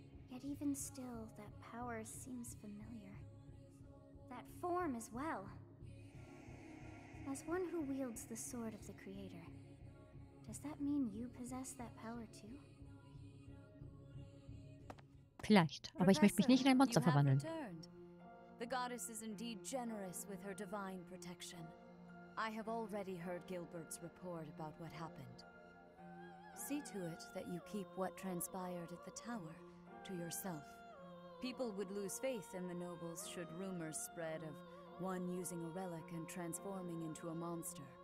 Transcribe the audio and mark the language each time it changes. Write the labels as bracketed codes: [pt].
[en] Yet even still, that power seems familiar. That form as well. As one who wields the sword of the Creator, does that mean you possess that power too? [de] Vielleicht, aber ich möchte mich nicht in ein Monster verwandeln. [en] The goddess is indeed generous with her divine protection. I have already heard Gilbert's report about what happened. See to it that you keep what transpired at the tower to yourself. People would lose faith in the nobles should rumors spread of one using a relic and transforming into a monster.